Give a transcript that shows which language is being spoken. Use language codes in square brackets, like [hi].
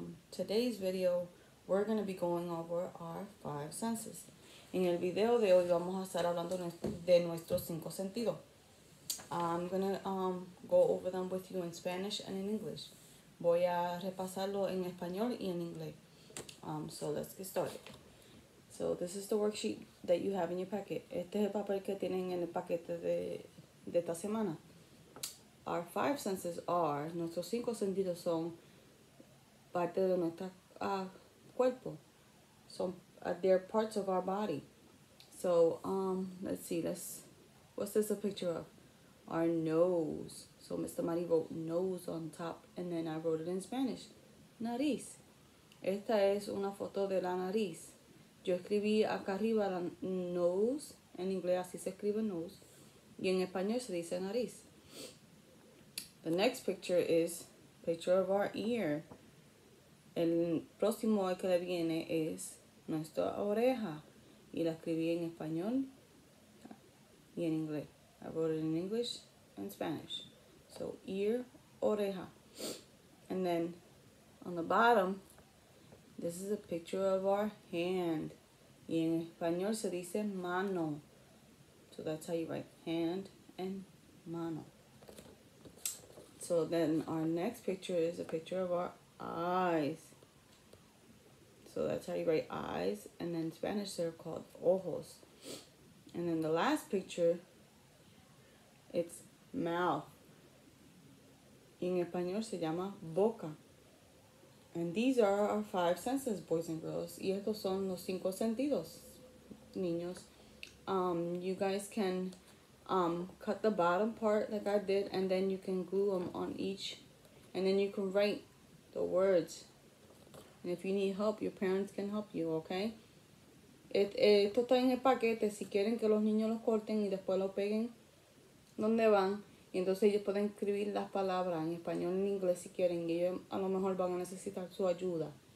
[en] Today's video, we're going to be going over our five senses. [es] En el video de hoy, vamos a estar hablando de nuestros cinco sentidos. [en] I'm going to go over them with you in Spanish and in English. [es] Voy a repasarlo en español y en inglés. [en] So let's get started. So this is the worksheet that you have in your packet. [es] Este es el papel que tienen en el paquete de esta semana. [en] Our five senses are, [es] nuestros cinco sentidos son parte de nuestro cuerpo. [en] They're parts of our body. So, let's see, what's this a picture of? Our nose. So Mr. Mari wrote nose on top, and then I wrote it in Spanish. [es] Nariz. Esta es una foto de la nariz. Yo escribí acá arriba la nose, en inglés así se escribe nose, y en español se dice nariz. [en] The next picture is picture of our ear. [es] El próximo que le viene es nuestra oreja. Y la escribí en español y en inglés. [en] I wrote it in English and Spanish. So ear, oreja. And then on the bottom, this is a picture of our hand. [es] Y en español se dice mano. [en] So that's how you write hand and mano. So then our next picture is a picture of our eyes. So that's how you write eyes. And then in Spanish, they're called ojos. And then the last picture, it's mouth. [es] En español se llama boca. [en] And these are our five senses, boys and girls. [es] Y estos son los cinco sentidos, niños. [en] You guys can cut the bottom part like I did, and then you can glue them on each, and then you can write the words. And if you need help, your parents can help you, okay? [es] Esto está en el paquete. Si quieren que los niños los corten y después lo peguen donde van, y entonces ellos pueden escribir las palabras en español, en inglés, si quieren, y ellos a lo mejor van a necesitar su ayuda.